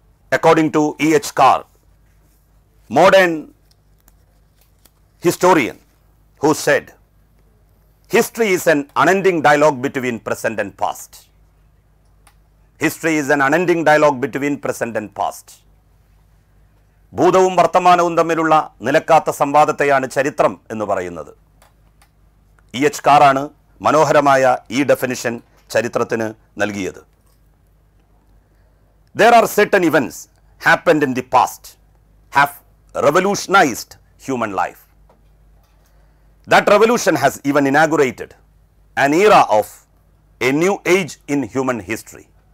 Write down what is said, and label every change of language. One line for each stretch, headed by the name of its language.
English: According to E.H. Carr, modern historian who said, history is an unending dialogue between present and past. History is an unending dialogue between present and past.
Malayalam: ഭൂതവും വർത്തമാനവും തമ്മിലുള്ള നിലക്കാത്ത സംവാദത്തെയാണ് ചരിത്രം എന്ന് പറയുന്നത്. E.H. Carr ആണ് മനോഹരമായ ഈ definition ചരിത്രത്തിന് നൽകിയത്.
English: There are certain events happened in the past have revolutionized human life. That revolution has even inaugurated an era of a new age in human history.